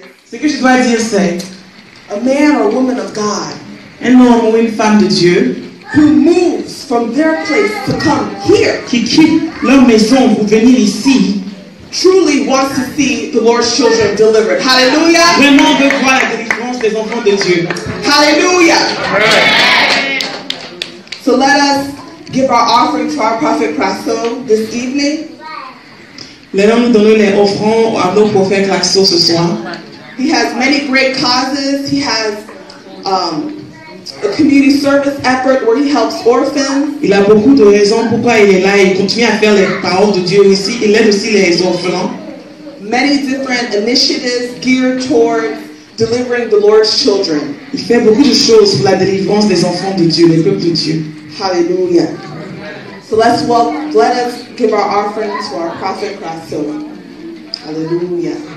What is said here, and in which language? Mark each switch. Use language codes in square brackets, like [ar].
[fr] Ce que je dois dire, c'est [en] a man or woman of God, [fr] un homme ou une femme de Dieu, [en] who moves from their place to come here, [fr] qui quitte leur maison pour venir ici, [en] truly wants to see the Lord's children delivered. Hallelujah! [fr] Vraiment veut voir la délivrance des enfants de Dieu. Hallelujah! [en] So let us give our offering to our prophet Crasso this evening. [fr] Laissons-nous donner les offrandes à nos prophètes Crasso ce soir. [en] He has many great causes. He has a community service effort where he helps orphans. [fr] Il a beaucoup de raisons pourquoi il est là. Il continue à faire les paroles de Dieu ici. Il aide aussi les orphelins. [en] Many different initiatives geared towards delivering the Lord's children. [fr] Il fait beaucoup de choses pour la délivrance des enfants de Dieu, les peuples de Dieu. Hallelujah. [en] So let us give our offering to our prophet Christ. Hallelujah.